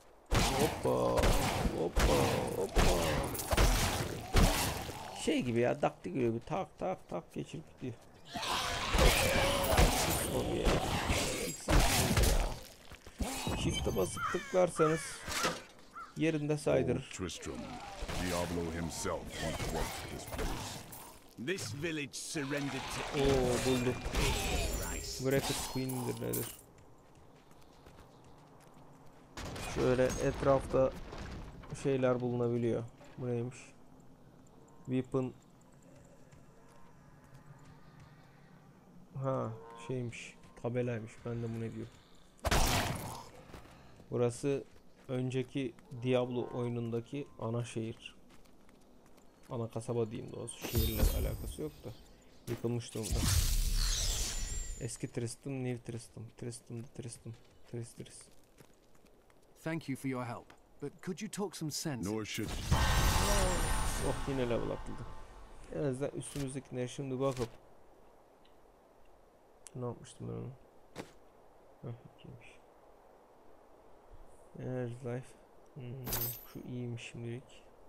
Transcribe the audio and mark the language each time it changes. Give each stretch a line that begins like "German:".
Turkish: Hoppa. Hoppa. Hoppa. Şey gibi ya, daktik gibi bir tak tak tak geçirip gidiyor. Zombi ya. Shift'e basıp tıklarsanız yerinde saydırır.
English: Tristram, Diablo himself once worked this place. This village surrendered to.
Turkish: Oo buldu. Wrecked Queen'dir nedir? Şöyle etrafta şeyler bulunabiliyor. Bu neymiş? Weapon. Ha, şeymiş, tabelaymış. Ben de bu ne diyorum. Burası önceki Diablo oyunundaki ana şehir. Ana kasaba diyeyim doğrusu. Şehirle alakası yok da. Yıkılmış durumda. Eski Tristram, New Tristram. Tristram'da Tristram. Tristris.
English: Thank you for your help, but could you talk some sense? Nor should.
Turkish: Oh, yine level atladı. En azından üstümüzdekine şimdi bakıp ne yapmıştım ben onu? Heh, iyiymiş. Energy Life. Şu iyiymiş şimdilik.